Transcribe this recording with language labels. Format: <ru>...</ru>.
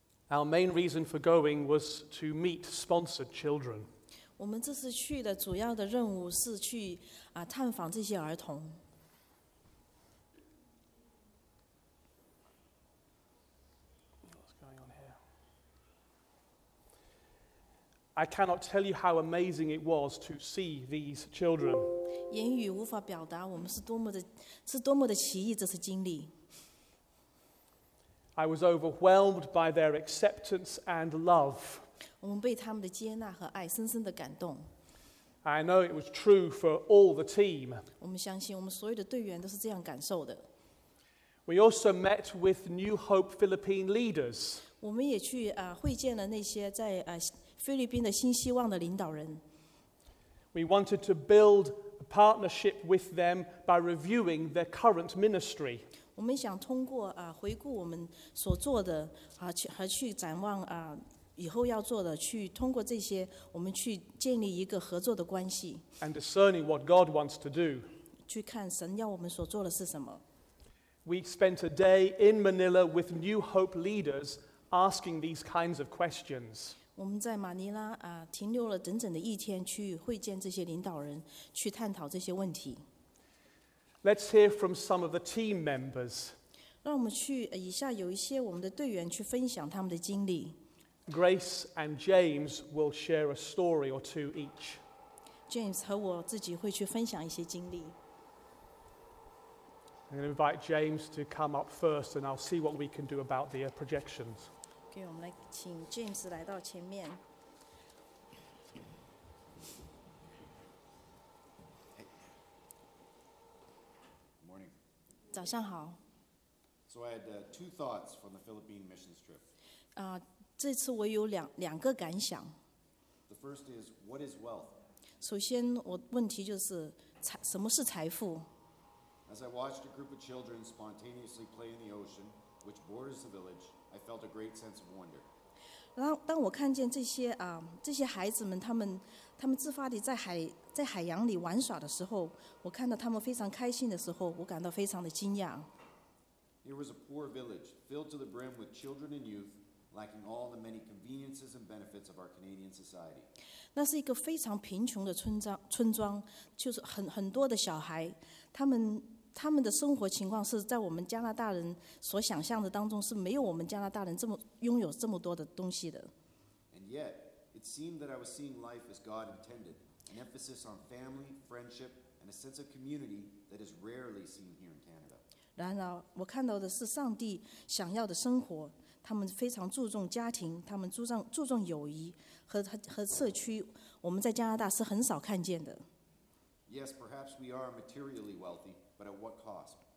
<en>Our main reason for going was to meet sponsored children.</en> <zh>我们这次去的主要的任务是去, 啊, 探访这些儿童。</zh> <en>What's going on here? I cannot tell you how amazing it was to see these children.</en> <zh>言语无法表达我们是多么的奇异这次经历。</zh> <en>I was overwhelmed by their acceptance and love.</en> <zh>我们被他们的接纳和爱深深地感动。</zh> <en>I know it was true for all the team.</en> <zh>我们相信我们所有的队员都是这样感受的。</zh> <en>We also met with New Hope Philippine leaders.</en> <zh>我们也去, 会见了那些在, 菲律宾的新希望的领导人。</zh> <en>We wanted to build a partnership with them by reviewing their current ministry.</en> <zh>我们想通过, 回顾我们所做的, 和去展望, 以后要做的, 去通过这些, 我们去建立一个合作的关系,</zh> <en>and discerning what God wants to do.</en> <zh>去看神要我们所做的是什么。</zh> <en>We spent a day in Manila with New Hope leaders asking these kinds of questions.</en> <zh>我们在马尼拉, 停留了整整的一天, 去会见这些领导人, 去探讨这些问题。</zh> <en>Let's hear from some of the team members.</en> <zh>让我们去, 以下有一些我们的队员去分享他们的经历。</zh> <en>Grace and James will share a story or two each.</en> <zh>James和我自己会去分享一些经历。</zh> <en>I'm going to invite James to come up first, and I'll see what we can do about the projections.</en> <zh>Okay, 我们来请James来到前面。早上好。</zh> <en>So I had two thoughts from the Philippine missions trip.</en> <zh>这次我有两个感想。</zh> <en>The first is, what is wealth?</en> <zh>首先我问题就是, 什么是财富?</zh> <en>As I watched a group of children spontaneously play in the ocean, which borders the village, I felt a great sense of wonder.</en> <zh>当我看见这些, 这些孩子们他们自发地在海 在海洋里玩耍的时候, 我看到他们非常开心的时候, 我感到非常的惊讶。</zh> <en>Here was a poor village, filled to the brim with children and youth, lacking all the many conveniences and benefits of our Canadian society.</en> <zh>那是一个非常贫穷的村庄, 就是很多的小孩, 他们的生活情况是在我们加拿大人所想象的当中是没有我们加拿大人这么拥有这么多的东西的。</zh> <en>And yet, it seemed that I was seeing life as God intended. An emphasis on family, friendship, and a sense of community that is rarely seen here in Canada.</en> <zh>然而，我看到的是上帝想要的生活。他们非常注重家庭，他们注重友谊和社区。我们在加拿大是很少看见的。</zh> <en>Yes, perhaps we are materially wealthy, but at what cost?</en>